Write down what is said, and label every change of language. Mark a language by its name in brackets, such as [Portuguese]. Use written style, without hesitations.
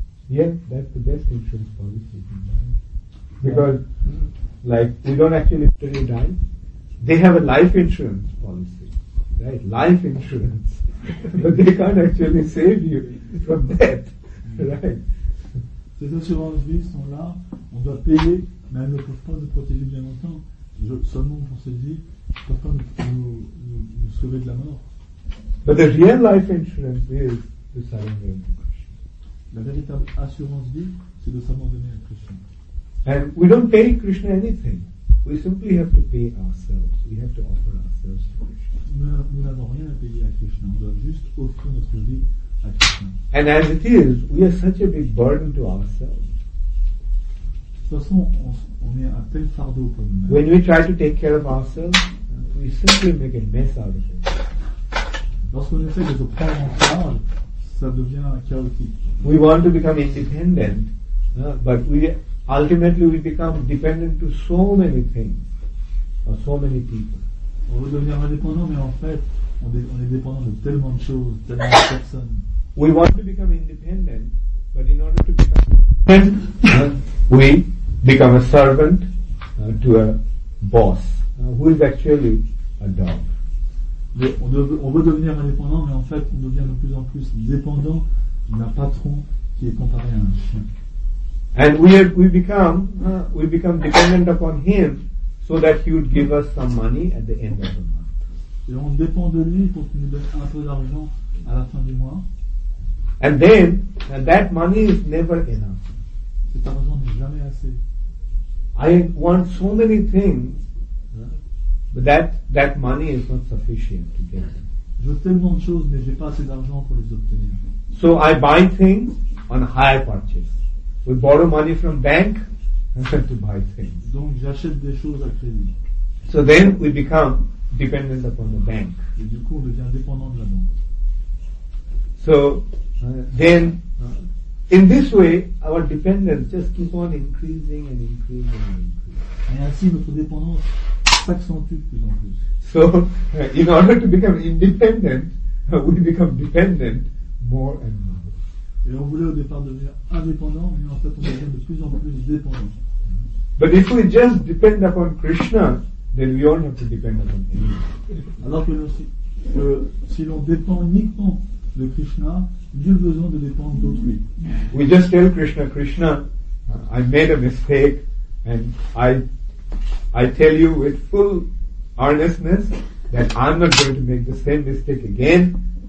[English] Yeah, that's the best insurance policy you can buy. Because, like, we don't actually literally die. They have a life insurance policy. Right? Life insurance. But they can't actually save you from death. Right? [French] Ces assurances vie sont là, on doit payer, mais elles ne peuvent pas nous protéger bien longtemps. Seulement pour cette vie, elles ne peuvent pas nous sauver de la mort. [English] But the real life insurance is to surrender to Krishna. [French] La véritable assurance vie, c'est de s'abandonner à Krishna. [English] And we don't pay Krishna anything. We simply have to pay ourselves. We have to offer ourselves to Krishna. [French] Nous n'avons rien à payer à Krishna. On doit juste offrir notre vie. [English] And as it is, we are such a big burden to ourselves. [French] De toute façon, on est un tel fardeau pour nous-mêmes. [English] When we try to take care of ourselves, we simply make a mess out of it. [French] Lorsqu'on essaie de se prendre en charge, ça devient chaotique. [English] We want to become independent, but we ultimately we become dependent to so many things or so many people. [French] On veut devenir indépendant, mais en fait, on est dépendant de tellement de choses, tellement de personnes. [English] We want to become independent, but in order to become independent, we become a servant to a boss, who is actually a dog. [French] On veut devenir indépendant, mais en fait, on devient de plus en plus dépendant d'un patron qui est comparé à un chien. [English] And we become dependent upon him, so that he would give us some money at the end of the month. [French] Et on dépend de lui pour qu'il nous donne un peu d'argent à la fin du mois. [English] And then, and that money is never enough. [French] Cet argent n'est jamais assez. [English] I want so many things, but that money is not sufficient to get them. [French] Je veux tellement de choses, mais j'ai pas assez d'argent pour les obtenir. [English] So I buy things on hire purchase. We borrow money from bank to buy things. [French] Donc j'achète des choses à crédit. [English] So then we become dependent upon the bank. [French] Et du coup, on devient dépendant de la banque. [English] So, then, in this way, our dependence just keeps on increasing and increasing and increasing. [French] Et ainsi, notre dépendance s'accentue de plus en plus. [English] So, in order to become independent, we become dependent more and more. [French] Et on voulait au départ devenir indépendant, mais en fait on devient de plus en plus dépendant. [English] But if we just depend upon Krishna, then we all have to depend upon him. [French] Alors que si l'on dépend uniquement de Krishna, nul besoin de dépendre d'autrui. [English] We just tell Krishna, Krishna, I made a mistake, and I tell you with full earnestness that I'm not going to make the same mistake again.